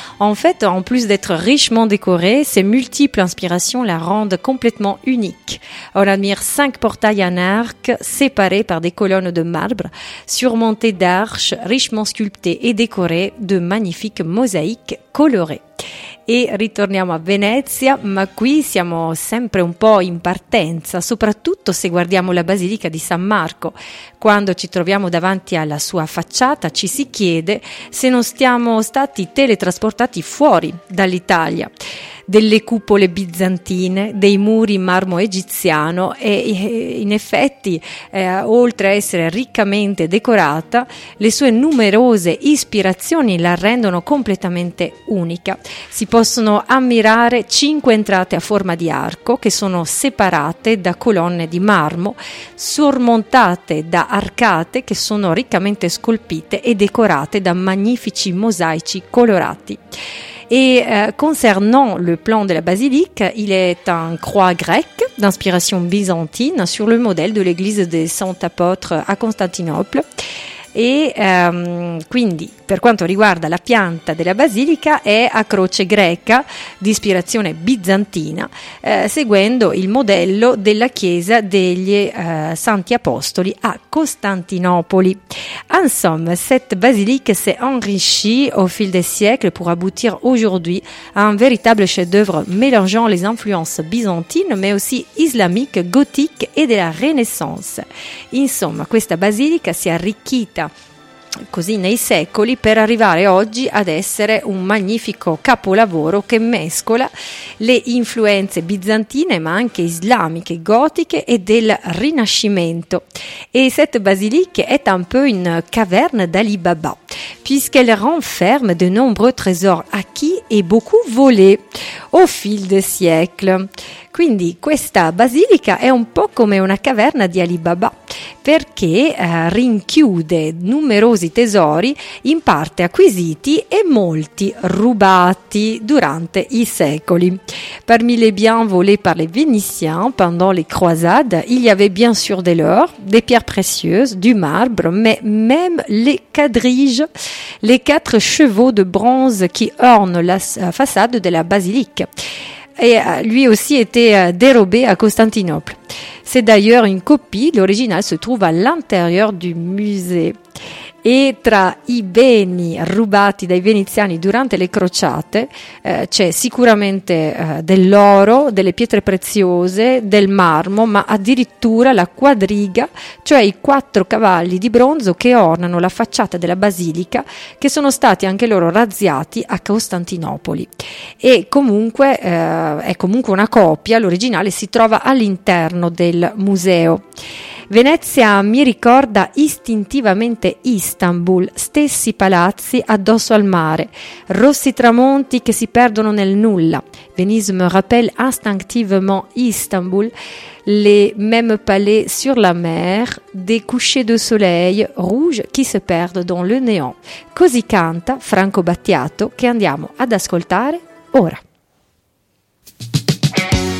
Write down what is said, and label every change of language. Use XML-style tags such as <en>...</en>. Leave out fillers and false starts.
<fr>En fait, en plus d'être richement décoré, ses multiples inspirations la rendent complètement unique. On admire 5 portails en arc séparés par des colonnes de marbre, surmontées d'arches richement sculptées et décorées de magnifiques mosaïques colorées.</fr> <it>E ritorniamo a Venezia, ma qui siamo sempre un po' in partenza, soprattutto se guardiamo la Basilica di San Marco. Quando ci troviamo davanti alla sua facciata, ci si chiede se non siamo stati teletrasportati fuori dall'Italia. Delle cupole bizantine, dei muri in marmo egiziano e in effetti, oltre a essere riccamente decorata, le sue numerose ispirazioni la rendono completamente unica. Si possono ammirare 5 entrate a forma di arco che sono separate da colonne di marmo, sormontate da arcate che sono riccamente scolpite e decorate da magnifici mosaici colorati.</it> <fr>Et concernant le plan de la basilique, il est un croix grec d'inspiration byzantine sur le modèle de l'église des Saints Apôtres à Constantinople.</fr> <it>Et quindi, per quanto riguarda la pianta della basilica, è a croce greca di ispirazione bizantina, seguendo il modello della chiesa degli Santi Apostoli a Costantinopoli. Insomma,</it> <fr>cette basilique s'est enrichie au fil des siècles pour aboutir aujourd'hui à un véritable chef-d'œuvre mélangeant les influences byzantines, mais aussi islamiques, gothiques et della Renaissance.</fr> <it>Insomma, questa basilica si è arricchita così nei secoli per arrivare oggi ad essere un magnifico capolavoro che mescola le influenze bizantine ma anche islamiche, gotiche e del Rinascimento.</it> <fr>E cette basilique est un peu une caverne d'Ali Baba, puisqu'elle renferme de nombreux trésors acquis et beaucoup volés au fil des siècles.</fr> <it>Quindi questa basilica è un po' come una caverna di Ali Baba, perché rinchiude numerosi tesori in parte acquisiti e molti rubati durante i secoli.</it> <fr>Parmi les biens volés par les Vénitiens pendant les croisades, il y avait bien sûr de l'or, des pierres précieuses, du marbre, mais même les quadriges, les 4 chevaux de bronze qui ornent la façade de la basilique. Et lui aussi était dérobé à Constantinople. C'est d'ailleurs une copie, l'original se trouve à l'intérieur du musée.</fr> <it>Et tra i beni rubati dai veneziani durante le crociate c'è sicuramente dell'oro, delle pietre preziose, del marmo, ma addirittura la quadriga, cioè i 4 cavalli di bronzo che ornano la facciata della basilica, che sono stati anche loro razziati a Costantinopoli. E comunque è comunque una copia, l'originale si trova all'interno del museo. Venezia mi ricorda istintivamente Istanbul, stessi palazzi addosso al mare, rossi tramonti che si perdono nel nulla.</it> <fr>Venise me rappelle instinctivement Istanbul, les mêmes palais sur la mer, des couchers de soleil rouge qui se perdent dans le néant.</fr> <it>Così canta Franco Battiato che andiamo ad ascoltare ora.</it> <en>We'll be right back.</en>